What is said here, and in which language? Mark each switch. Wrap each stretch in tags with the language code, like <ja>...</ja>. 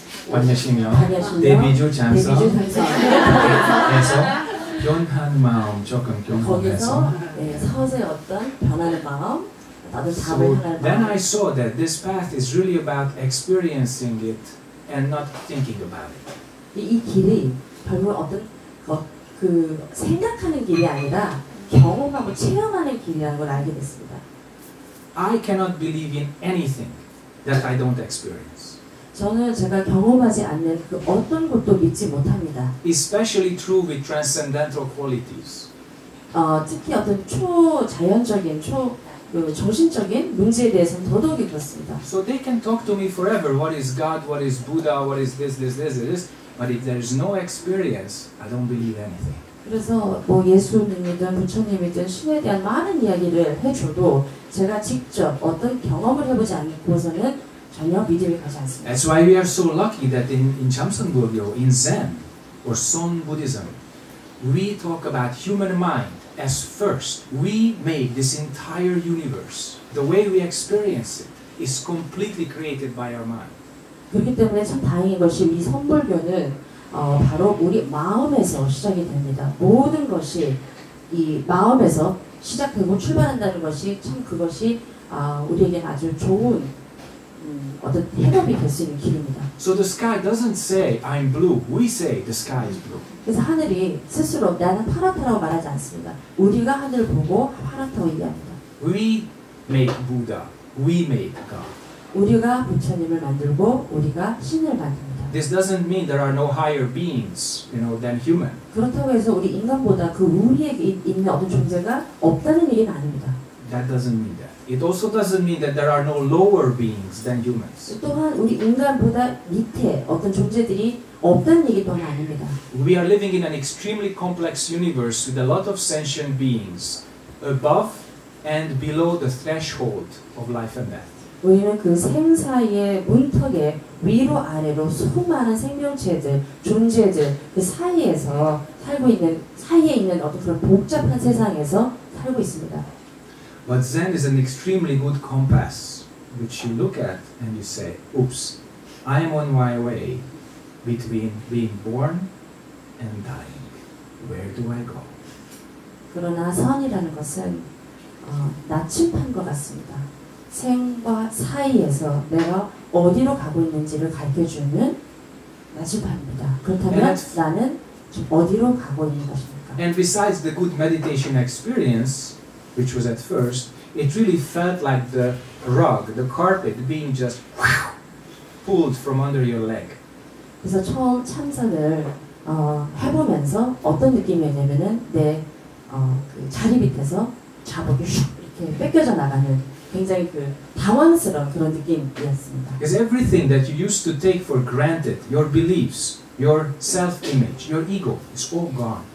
<ko>반야시명, 데뷔주 장성에서 변한 마음, 조금 경험해서 거기서 서서히 어떤 변하는 마음</ko> <en>So then I saw that this path is really about experiencing it and not thinking about it.</en> <ko>이 길이 별로 어떤 그 생각하는 길이 아니라 경험하고 체험하는 길이라는 걸 알게 됐습니다.</ko> <en>I cannot believe in anything that I don't experience.</en> <ko>저는 제가 경험하지 않는 그 어떤 것도 믿지 못합니다.</ko> <en>Especially true with transcendental qualities.</en> <ko>특히 어떤 초자연적인 초 정신적인 문제에 대해서 더더욱이 그렇습니다.</ko> <en>So they can talk to me forever. What is God? What is Buddha? What is this? This? This? This? But if there is no experience, I don't believe anything.</en> <ko>그래서 뭐 예수님이든 부처님이든 신에 대한 많은 이야기를 해줘도 제가 직접 어떤 경험을 해보지 않고서는 전혀 믿음이 가지 않습니다.</ko> <en>That's why we are so lucky that in Jamsangbogyo, in Zen or Son Buddhism, we talk about human mind as first. We made this entire universe. The way we experience it is completely created by our mind.</en> <ko>그렇기 때문에 참 다행인 것이 이 선불교는 바로 우리 마음에서 시작이 됩니다. 모든 것이 이 마음에서 시작되고 출발한다는 것이 참 그것이 우리에게 아주 좋은 어떤 해답이 될 수 있는 길입니다.</ko> <en>So the sky doesn't say I'm blue. We say the sky is blue.</en> <ko>그래서 하늘이 스스로 나는 파랗다라고 말하지 않습니다. 우리가 하늘을 보고 파랗다고 이야기합니다.</ko> <en>We make Buddha. We make God.</en> <ko>우리가 부처님을 만들고 우리가 신을 만듭니다.</ko> <en>This doesn't mean there are no higher beings, you know, than human.</en> <ko>그렇다고 해서 우리 인간보다 그 위에 있는 어떤 존재가 없다는 얘기는 아닙니다.</ko> <en>That doesn't mean that. It also doesn't mean that there are no lower beings than humans.</en> <ko>또한 우리 인간보다 밑에 어떤 존재들이 없다는 얘기 또한 아닙니다.</ko> <en>We are living in an extremely complex universe with a lot of sentient beings above and below the threshold of life and death.</en> <ko>우리는 그 생사의 문턱에 위로 아래로 수많은 생명체들, 존재들 그 사이에서 살고 있는 사이에 있는 어떤 그런 복잡한 세상에서 살고 있습니다.</ko> <en>But Zen is an extremely good compass which you look at and you say, "Oops, I am on my way between being born and dying. Where do I go?"</en> <ko>그러나 선이라는 것은 나침반과 같습니다. 생과 사이에서 내가 어디로 가고 있는지를 가르쳐주는 나침반입니다. 그렇다면 나는 어디로 가고 있는 것입니까?</ko> <en>And besides the good meditation experience, which was at first, it really felt like the rug, the carpet being just pulled from under your leg.</en> <ko>그래서 처음 참선을 해보면서 어떤 느낌이었냐면은 내 그 자리 밑에서 자복이 슉 이렇게 뺏겨져 나가는. 굉장히 그 당황스러운 그런 느낌이었습니다.</ko> <en>Because everything that you used to take for granted, your beliefs, your self-image, your ego, it's all gone.</en>